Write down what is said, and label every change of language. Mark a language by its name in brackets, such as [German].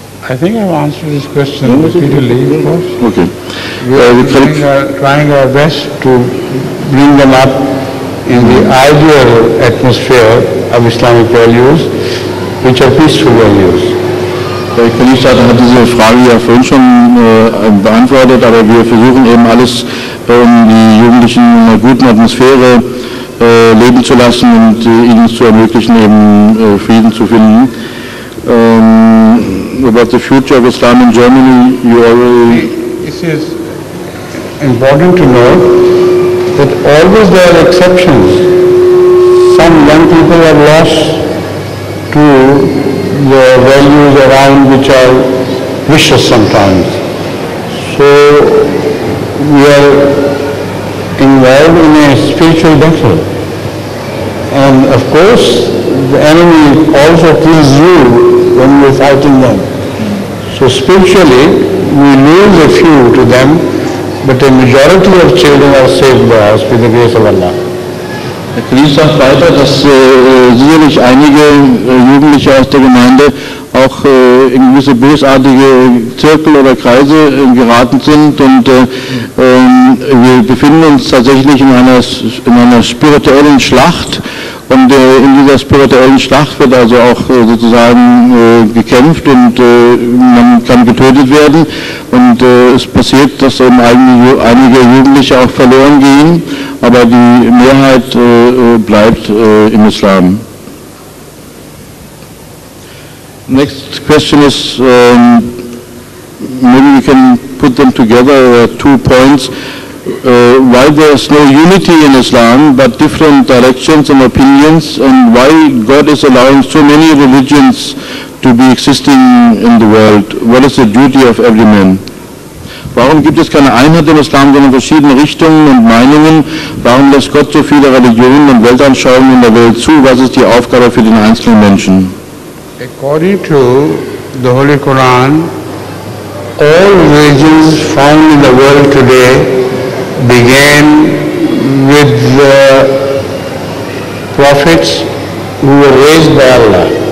[English] I think I've answered this question repeatedly, of course. Okay. We are trying our best to bring them up in the ideal atmosphere of Islamic values, which are peaceful values. [German] Der Kandidat hat diese Frage ja vorhin schon beantwortet, aber wir versuchen eben alles, um die Jugendlichen in einer guten Atmosphäre leben zu lassen und ihnen zu ermöglichen, eben Frieden zu finden. [English] About the future of Islam in Germany, you already... This is important to know that always there are exceptions. Some young people have lost to the values around which are vicious sometimes. So we are involved in a spiritual battle. And of course the enemy also kills you when you're fighting them. So spiritually we lose a few to them, but a majority of children are saved by us with the grace of Allah. [German] Der Kollege sagt weiter, dass sicherlich einige Jugendliche aus der Gemeinde auch in gewisse bösartige Zirkel oder Kreise geraten sind, und wir befinden uns tatsächlich in einer spirituellen Schlacht, und in dieser spirituellen Schlacht wird also auch sozusagen gekämpft, und man kann getötet werden, und es passiert, dass einige Jugendliche auch verloren gehen. Aber die Mehrheit bleibt im Islam. [English] Next question is, maybe we can put them together, two points. Why there is no unity in Islam, but different directions and opinions, and why God is allowing so many religions to be existing in the world? What is the duty of every man? [German] Warum gibt es keine Einheit im Islam, sondern verschiedene Richtungen und Meinungen? Warum lässt Gott so viele Religionen und Weltanschauungen in der Welt zu? Was ist die Aufgabe für den einzelnen Menschen? [English] According to the Holy Quran, all religions found in the world today began with the prophets who were raised by Allah.